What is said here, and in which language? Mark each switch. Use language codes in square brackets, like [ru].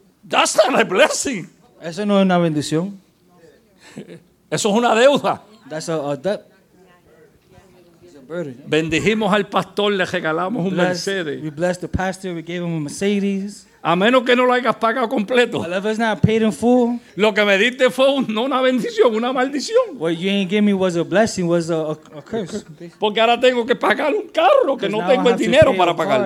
[en] That's not a blessing. [es] Eso no es una bendición. Eso es una deuda. [en] That's a debt. [es] Bendijimos al pastor, le regalamos un Mercedes. [en] We blessed the pastor, we gave him a Mercedes. [es] A menos que no lo hayas pagado completo. [en] If it's not paid in full. [es] Lo que me diste fue no una bendición, una maldición. [en] What you ain't give me was a blessing, was a curse. [es] Porque ahora tengo que pagar un carro que no tengo el dinero para pagarlo.